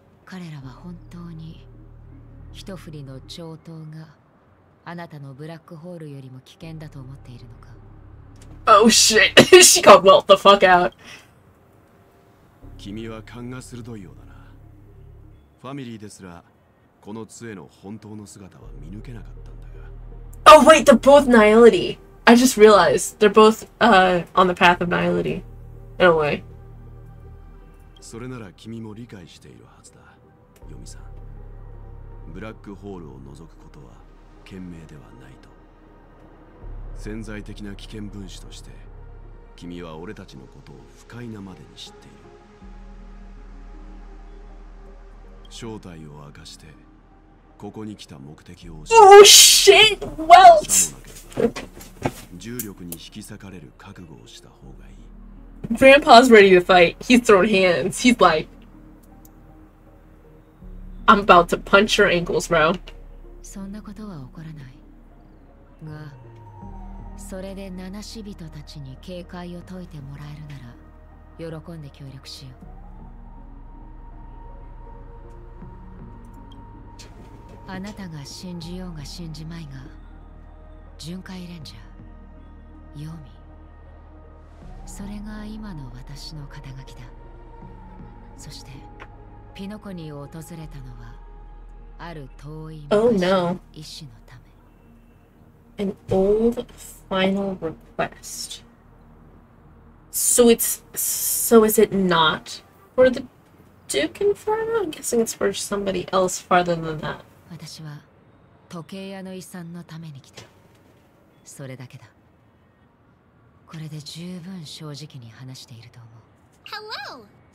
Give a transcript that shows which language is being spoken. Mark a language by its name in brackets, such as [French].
[Japanese] 彼らは本当に一振りの兆頭があなたのブラックホールよりも危険だと思っているのか。 [English] Oh shit! She got melted the fuck out. [Japanese] 君は勘が鋭いようだな。ファミリーですらこの杖の本当の姿は見抜けなかったんだが。 [English] Oh wait, they're both nihility. I just realized they're both on the path of nihility. No way. [Japanese] それなら君も理解しているはずだ、ヨミさん。ブラックホールを覗くことは賢明ではないと。潜在的な危険分子として、君は俺たちのことを不快なまでに知っている。正体を明かして、ここに来た目的を教えて。 [English] Oh shit! Well! [Japanese] 重力に引き裂かれる覚悟をした方がいい。 [English] Grandpa's ready to fight. He's throwing hands. He's like, I'm about to punch your ankles, bro. [Japanese] そんなことは起こらない。が、それで七死人たちに警戒を解いてもらえるなら、喜んで協力しよう。あなたが信じようが信じまいが、巡回レンジャー、ヨミ。それが今の私の肩書きだ。そしてピノコニを訪れたのはある遠い昔の意志のため。 [English] Oh, no. An old final request. So is it not for the Duke Inferno? I'm guessing it's for somebody else farther than that. [Japanese] 私は時計屋の遺産のために来た。それだけだ。これで十分正直に話していると思う。